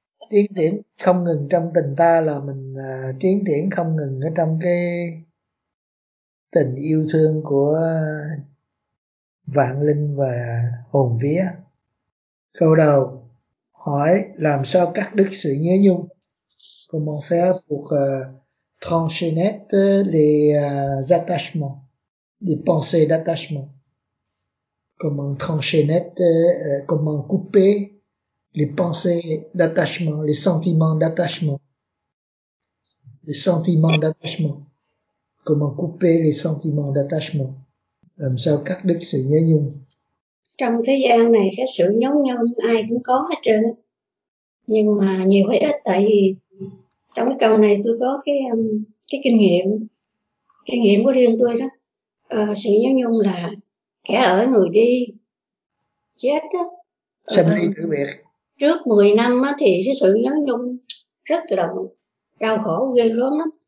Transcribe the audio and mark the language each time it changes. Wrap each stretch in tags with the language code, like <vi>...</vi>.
<vi>Tiến triển không ngừng trong tình ta là mình tiến triển không ngừng ở trong cái tình yêu thương của vạn linh và hồn vía. Câu đầu hỏi làm sao cắt đứt sự nhớ nhung.</vi> <fr>Comment faire pour transcender les attachements, les pensées d'attachement. Comment trancher net, comment couper les pensées d'attachement, les sentiments d'attachement. Les sentiments d'attachement. Comment couper les sentiments d'attachement.</fr> <vi>Làm sao cắt đứt sự nhớ nhung. Trong thế gian này, cái sự nhớ nhung ai cũng có hết trơn. Nhưng mà nhiều hay ít, tại vì trong cái câu này tôi có cái kinh nghiệm của riêng tôi đó. Sự nhớ nhung là kẻ ở người đi chết á, trước 10 năm á thì cái sự nhớ nhung rất là đau khổ ghê lắm á.</vi>